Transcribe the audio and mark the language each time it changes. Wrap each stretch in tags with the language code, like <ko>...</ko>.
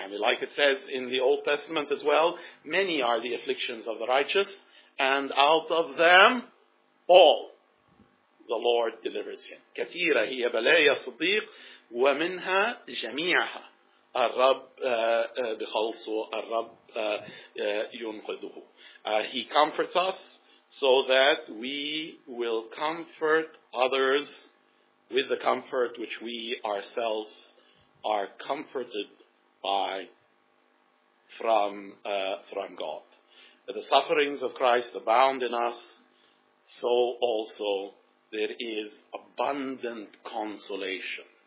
<en>Like it says in the Old Testament as well, many are the afflictions of the righteous, and out of them all the Lord delivers him.</en> <ar>كثيرة هي بلايا الصديق ومنها جميعها الرب بخلصه, الرب ينقذه.</ar> <en>He comforts us so that we will comfort others with the comfort which we ourselves are comforted by from God. The sufferings of Christ abound in us, so also there is abundant consolation.</en>